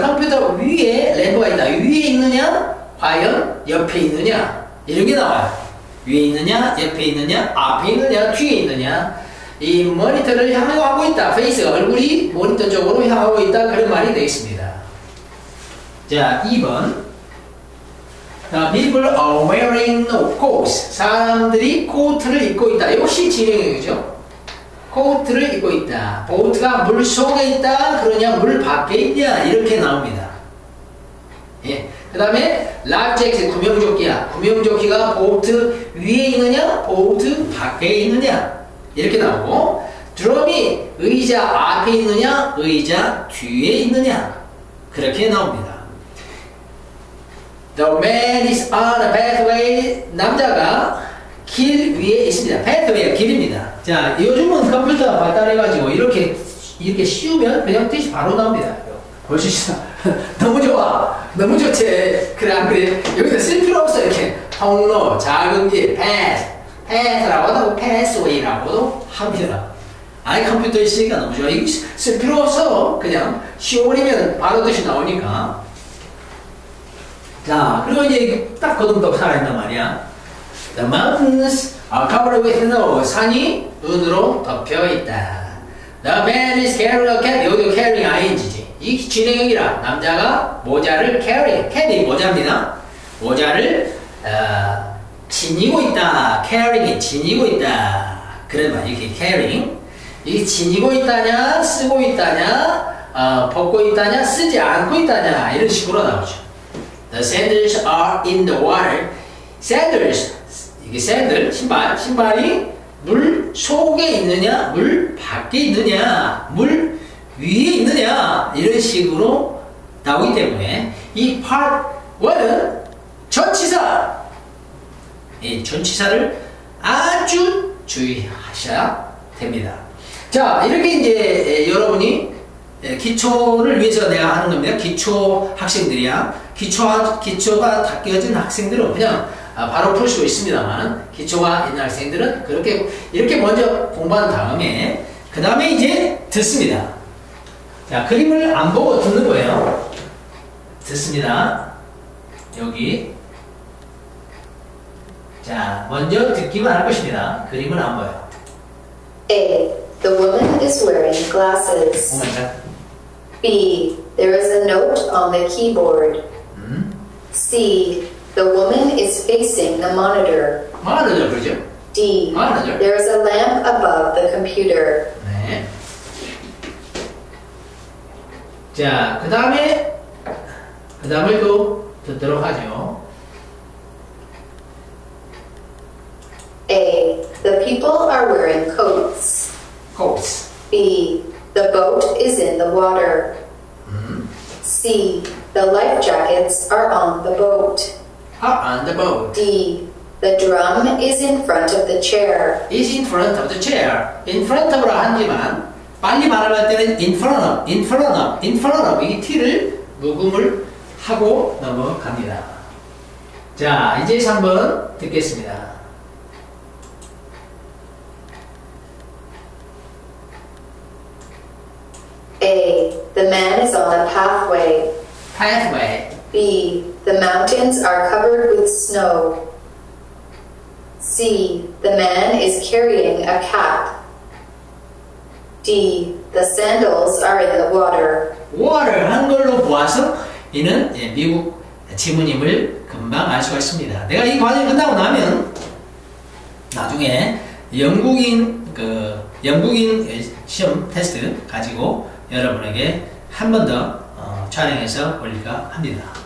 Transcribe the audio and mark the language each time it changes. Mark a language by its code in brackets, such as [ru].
[ko] 컴퓨터 위에 램프가 있다. 위에 있느냐? 과연 옆에 있느냐? 이런 게 나와요. 위에 있느냐? 옆에 있느냐? 앞에 있느냐? 뒤에 있느냐? 이 모니터를 향하고 있다. 페이스 얼굴이 모니터 쪽으로 향하고 있다. 그런 말이 되겠습니다. 자, 2번. [en] The people are wearing coats. [ko] 사람들이 코트를 입고 있다. 역시 진행형이죠. 코트를 입고 있다. 보트가 물 속에 있다. 그러냐 물 밖에 있냐. 이렇게 나옵니다. 예. 그 다음에 life jacket 구명조끼야. 구명조끼가 보트 위에 있느냐 보트 밖에 있느냐. 이렇게 나오고 드럼이 의자 앞에 있느냐 의자 뒤에 있느냐 그렇게 나옵니다. [en] The man is on a pathway. [ko] 남자가 길 위에 있습니다. Pathway가 길입니다. 자 요즘은 컴퓨터 발달해가지고 이렇게 씌우면 그냥 뜻이 바로 나옵니다. 보시죠. 너무 좋아. 너무 좋지. 그래 안 그래. 여기서 쓸 필요 없어. 이렇게 통로 작은 길 path. path라고도 pathway라고도 합니다. 아이 컴퓨터 있으니까 너무 좋아. 이거 쓸 필요 없어. 그냥 쉬어버리면 바로 뜻이 나오니까. 자, 그리고 이제 딱 거듭도 살아있단 말이야. [en] The mountains are covered with snow. [ko] 산이 눈으로 덮여 있다. [en] The man is carrying a cap. [ko] 여기도 carrying ing지. 이 진행형이라 남자가 모자를 carrying. cap이 모자입니다. 모자를 지니고 있다. carrying이 지니고 있다. 그러면 이렇게 carrying. 이게 지니고 있다냐, 쓰고 있다냐, 벗고 있다냐, 쓰지 않고 있다냐. 이런 식으로 나오죠. [en] The sandals are in the water. [ko] sandals. 이게 sandal. 신발이 물 속에 있느냐, 물 밖에 있느냐, 물 위에 있느냐. 이런 식으로 나오기 때문에 이 part 1은 전치사. 이 전치사를 아주 주의하셔야 됩니다. 자, 이렇게 이제 여러분이 기초를 위해서 내가 하는 겁니다. 기초 학생들이야. 기초가 닦여진 학생들은 그냥 바로 풀 수 있습니다만, 기초가 있는 학생들은 그렇게 이렇게 먼저 공부한 다음에, 그 다음에 이제 듣습니다. 자, 그림을 안 보고 듣는 거예요. 듣습니다. 여기. 자, 먼저 듣기만 할 것입니다. 그림을 안 봐요. [en] A. The woman is wearing glasses. Oh my God. B. There is a note on the keyboard. C. The woman is facing the monitor. [ko] Monitor, 그렇죠? [en] D. Monitor. There is a lamp above the computer. [ko] 네. 자, 그 다음에 그 다음을 또 듣도록 하죠. [en] A. The people are wearing coats. Coats. B. The boat is in the water. C. The life jackets are on the boat. Are on the boat. D. The drum is in front of the chair. Is in front of the chair. [ko] In front of라 하지만 빨리 말할 때는 [en] in front of, in front of, in front of [ko] 이게 T를 무음을 하고 넘어갑니다. 자, 이제 3번 듣겠습니다. [en] A. The man is on the pathway. Pathway. B. The mountains are covered with snow. C. The man is carrying a cap. D. The sandals are in the water. [ko] Water 한 걸로 보아서 이는 미국 지문임을 금방 알 수가 있습니다. 내가 이 과정이 끝나고 나면 나중에 영국인 그 영국인 시험 테스트 가지고 여러분에게 한 번 더 촬영해서 올릴까 합니다.